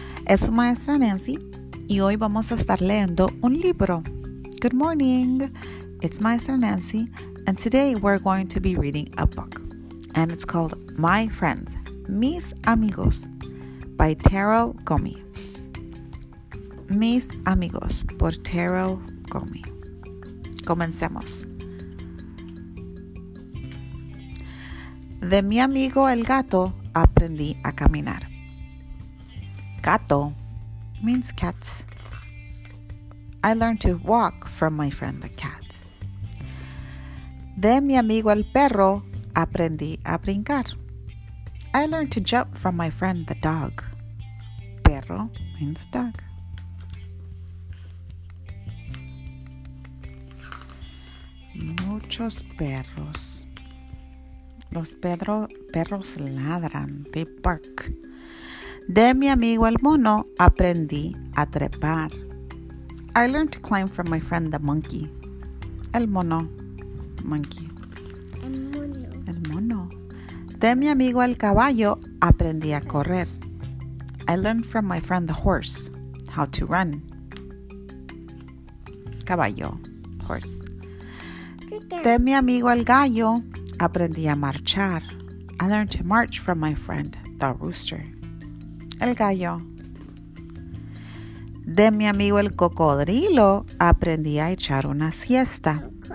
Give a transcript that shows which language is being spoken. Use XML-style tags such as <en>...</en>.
<es>Es su maestra Nancy y hoy vamos a estar leyendo un libro.</es> <en>Good morning. It's maestra Nancy and today we're going to be reading a book. And it's called My Friends, Mis Amigos by Taro Gomi.</en> <es>Mis Amigos por Taro Gomi. Comencemos. De mi amigo el gato aprendí a caminar.</es> <en>Gato means cats. I learned to walk from my friend the cat.</en> <es>De mi amigo el perro aprendí a brincar.</es> <en>I learned to jump from my friend the dog. Perro means dog.</en> <es>Muchos perros. Los perros ladran,</es> <en>they bark.</en> <es>De mi amigo el mono aprendí a trepar.</es> <en>I learned to climb from my friend the monkey.</en> <es>El mono, monkey. El mono. De mi amigo el caballo aprendí a correr.</es> <en>I learned from my friend the horse how to run.</en> <es>Caballo, horse. De mi amigo el gallo aprendí a marchar.</es> <en>I learned to march from my friend, the rooster.</en> <es>El gallo. De mi amigo el cocodrilo, aprendí a echar una siesta.</es>